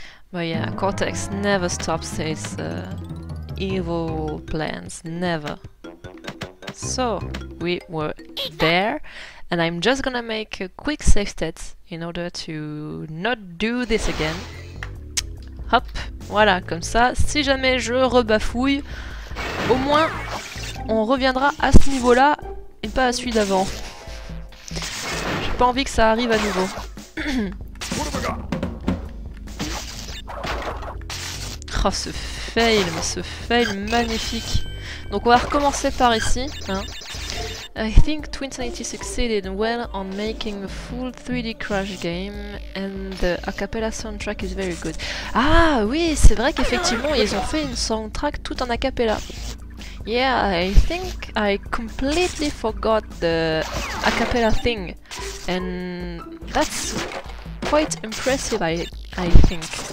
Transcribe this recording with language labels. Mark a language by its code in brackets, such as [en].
[en] But yeah, Cortex never stops his evil plans, never. So, we were there, and I'm just gonna make a quick save state in order to not do this again. [fr] Hop, voilà, comme ça, si jamais je rebafouille, au moins on reviendra à ce niveau-là et pas à celui d'avant. J'ai pas envie que ça arrive à nouveau. Oh, ce fail magnifique. Donc on va recommencer par ici. Hein. [en] I think Twin Sanity succeeded well on making a full 3D crash game and the a cappella soundtrack is very good. [fr] Ah oui, c'est vrai qu'effectivement ils ont fait une soundtrack tout en a cappella. [en] Yeah, I think I completely forgot the a cappella thing and that's quite impressive I think.